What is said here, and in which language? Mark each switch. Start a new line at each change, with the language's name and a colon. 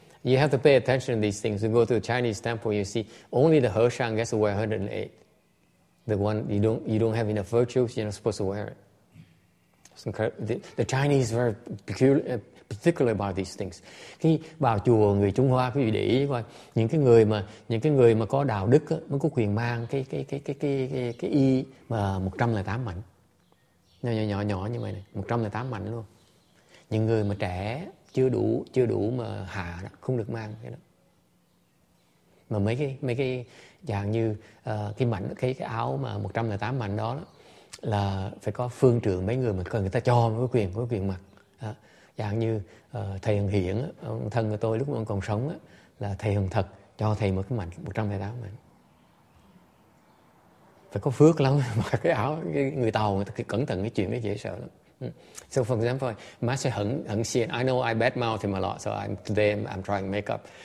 English: You have to pay attention to these things. You go to a Chinese temple, you see only the Heshang gets to wear 108. The one you don't have enough virtues, you're not supposed to wear it. It's incredible. The Chinese are very particular about these things.
Vietnamese: Khi vào chùa người Trung Hoa, quý vị để ý coi, những cái người mà có đạo đức mới có quyền mang cái y mà 108 mảnh. Nhỏ như vậy này, 108 mảnh luôn. Những người mà trẻ chưa đủ mà hạ đó, không được mang cái đó. Mà mấy cái dạng như cái áo mà 108 mảnh đó là phải có phương trưởng mấy người mà cần người ta cho mới có quyền mặc. Dạng như thầy Hằng Hiển, thân của tôi lúc mà còn sống là thầy Hằng Thật cho thầy một cái mảnh 108 mảnh. Phải có phước lắm mà cái áo cái người tàu người ta cẩn thận cái chuyện nó dễ sợ lắm.
English: So for example, Master Hận Hận Xiên, I know I bad mouth him a lot, so I'm today I'm trying to make up.